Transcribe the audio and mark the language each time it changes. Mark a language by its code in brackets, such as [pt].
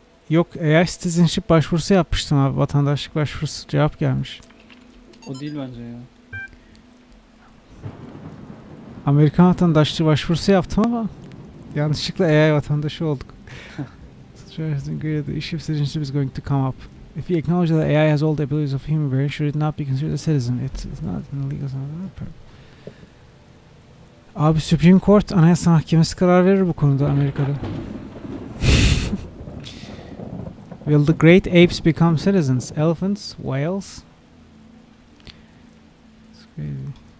[tr] Yok, AI Citizenship başvurusu yapmıştım abi. Vatandaşlık başvurusu cevap gelmiş. O değil bence ya. Amerikan vatandaşlığı başvurusu yaptım ama yanlışlıkla AI vatandaşı olduk. [en] Citizenship is going to come up. If you acknowledge that AI has all the abilities of a human being, should it not be considered a citizen? It's not an illegal citizen. [tr] Abi Supreme Court Anayasa Mahkemesi karar verir bu konuda Amerika'da. [en] Will the great apes become citizens? Elephants? Whales? It's crazy.